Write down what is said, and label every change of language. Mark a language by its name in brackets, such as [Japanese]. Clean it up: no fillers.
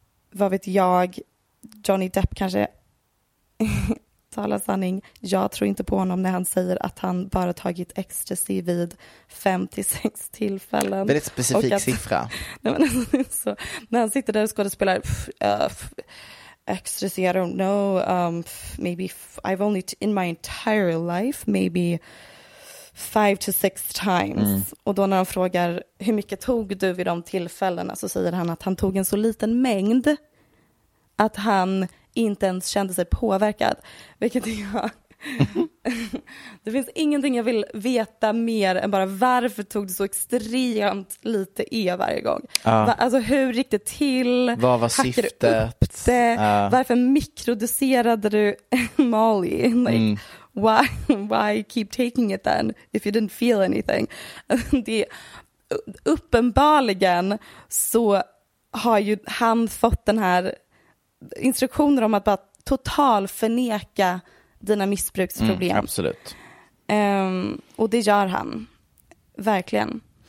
[Swedish] Vad vet jag? Johnny Depp kanske talar sanning. Jag tror inte på honom när han säger att han bara tagit ecstasy vid 5-6 tillfällen. Väldigt specifik och att, siffra. Nej, men, så, när han sitter där och skådespelar ecstasy, [English] I don't know. I've only in my entire life maybe 5-6 times. Mm. [Swedish] Och då när han frågar hur mycket tog du vid de tillfällena så säger han att han tog en så liten mängd att han inte ens kände sig påverkad. Vilket jag... Det finns ingenting jag vill veta mer än bara varför tog du så extremt lite E varje gång. Alltså hur gick det till? Vad var syftet? Varför mikrodoserade du Molly? [English] Why keep taking it then if you didn't feel anything? [Swedish] Det uppenbarligen så har ju han fått den här instruktioner om att bara total förneka dina missbruksproblem. Mm, absolut. Och det gör han. Verkligen.